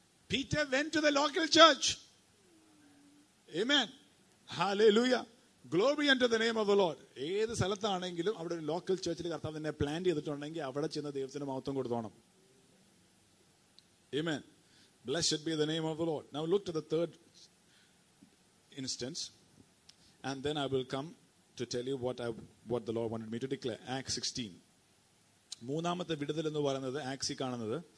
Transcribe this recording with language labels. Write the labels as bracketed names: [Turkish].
[English] Peter went to the local church. Amen. Hallelujah. Glory unto the name of the Lord. [Malayalam] ഏത് സ്ഥലത്താണെങ്കിലും അവിടെ ഒരു local ചേർച്ചിൽ കർത്താവ് തന്നെ plan ചെയ്തിട്ടുണ്ടെങ്കിൽ അവിടെ ചെന്ന് ദൈവത്തിന്റെ മഹത്വം കൊടുത്തോണം. [English] Amen. Blessed be the name of the Lord. Now look to the third instance, and then I will come to tell you what the Lord wanted me to declare. Acts 16. [Malayalam] മൂന്നാമത്തെ വിടുതൽ എന്ന് പറയുന്നത് ആക്സി കാണുന്നത്